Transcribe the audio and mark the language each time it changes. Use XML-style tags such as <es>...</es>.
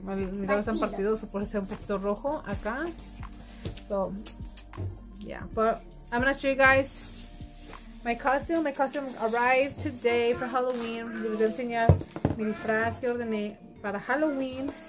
<es>Mis labios están partidos, por eso es un poquito rojo acá.</es> <en>So yeah, but I'm gonna show you guys my costume. My costume arrived today for Halloween.</en> <es>Les voy a enseñar mi disfraz que ordené para Halloween.</es>